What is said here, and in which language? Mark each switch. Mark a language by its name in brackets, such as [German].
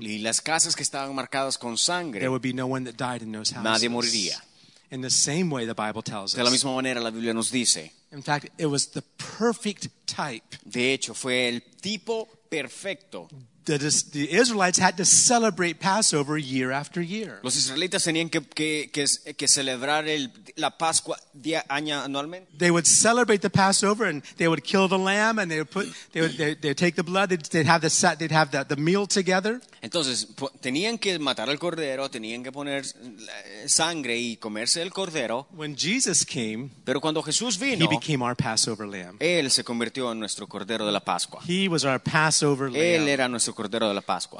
[Spanish] y las casas que estaban marcadas con sangre, [English] there would be no one that died in those houses. [Spanish] Nadie moriría. [English] In the same way, the Bible tells us. [Spanish] De la misma manera, la Biblia nos dice. [English] In fact, it was the perfect type. [Spanish] De hecho, fue el tipo perfecto. [English] The Israelites had to celebrate Passover year after year. [Spanish] Los israelitas tenían que celebrar la Pascua año anualmente. [English] They would celebrate the Passover and they would kill the lamb and they would take the blood. They'd have the meal together. [Spanish] Entonces tenían que matar al cordero, tenían que poner sangre y comerse el cordero. [English] When Jesus came, [Spanish] pero cuando Jesús vino, [English] he became our Passover lamb. [Spanish] Él se convirtió en nuestro cordero de la Pascua. [English] He was our Passover lamb. [Spanish] Él era nuestro cordero de la Pascua.